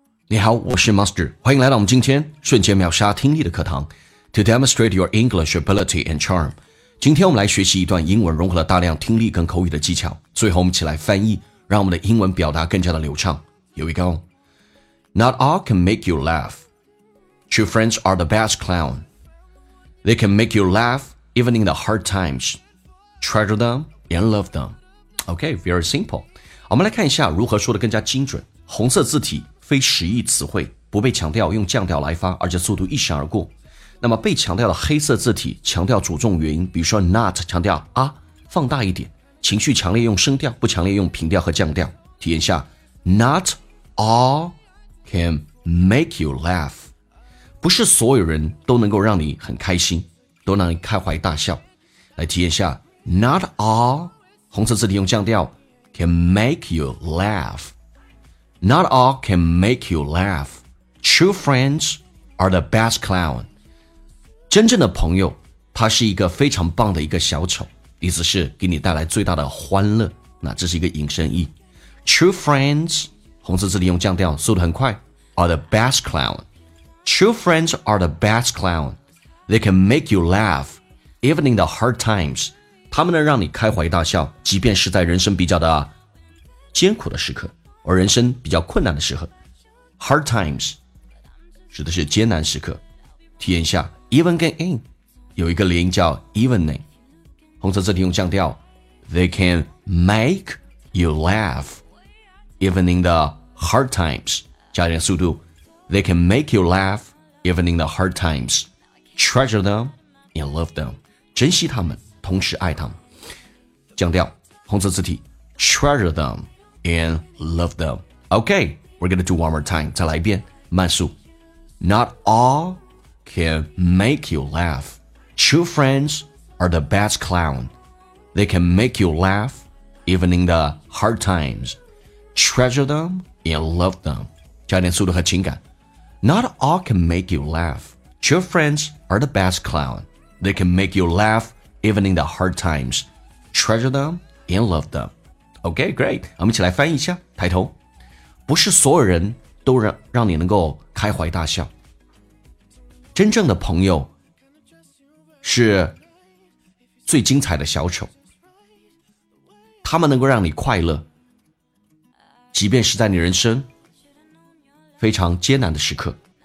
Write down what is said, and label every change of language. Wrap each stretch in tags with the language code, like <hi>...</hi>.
<zh>你好，我是 Master， 欢迎来到我们今天瞬间秒杀听力的课堂。</zh> <en>To demonstrate your English ability and charm，</en> <zh>今天我们来学习一段英文，融合了大量听力跟口语的技巧，最后我们起来翻译，让我们的英文表达更加的流畅。</zh> <en>Here we go. Not all can make you laugh. True friends are the best clown. They can make you laugh even in the hard times. Treasure them and love them. OK, very simple.</en> <zh>我们来看一下如何说的更加精准。红色字体，非实义词汇，不被强调，用降调来发，而且速度一闪而过。那么被强调的黑色字体，强调主重元音，比如说 not 强调啊，放大一点，情绪强烈用升调，不强烈用平调和降调。体验一下</zh> <en>Not all can make you laugh，</en> <zh>不是所有人都能够让你很开心，都能开怀大笑。来体验一下</zh> <en>Not all</en> <zh>红色字体用降调</zh> <en>can make you laughNot all can make you laugh. True friends are the best clown.</en> <zh>真正的朋友，他是一个非常棒的一个小丑，意思是给你带来最大的欢乐。那这是一个引申义。</zh> <en>True friends,</en> <zh>红色字体用降调，速度很快，</zh> <en>are the best clown. True friends are the best clown. They can make you laugh, even in the hard times.</en> <zh>他们能让你开怀大笑，即便是在人生比较的艰苦的时刻。而人生比较困难的时候</zh> <en>Hard times</en> <zh>指的是艰难时刻。体验一下</zh> <en>Even 跟 in</en> <zh>有一个连音叫</zh> <en>evening，</en> <zh>红色字体用降调</zh> <en>They can make you laugh Even in the hard times，</en> <zh>加点速度</zh> <en>They can make you laugh Even in the hard times Treasure them and love them，</en> <zh>珍惜他们，同时爱他们。降调红色字体</zh> <en>Treasure themAnd love them. Okay, we're gonna do one more time.</en> <zh>再来一遍，慢速。</zh> <en>Not all can make you laugh. True friends are the best clown. They can make you laugh even in the hard times. Treasure them and love them.</en> <zh>加点速度和情感。</zh> <en>Not all can make you laugh. True friends are the best clown. They can make you laugh even in the hard times. Treasure them and love them. OK, great.</en> <zh>我们一起来翻译一下。抬头，不是所有人都 让你能够开怀大笑。真正的朋友是最精彩的小丑，他们能够让你快乐，即便是在你人生非常艰难的时刻。</zh>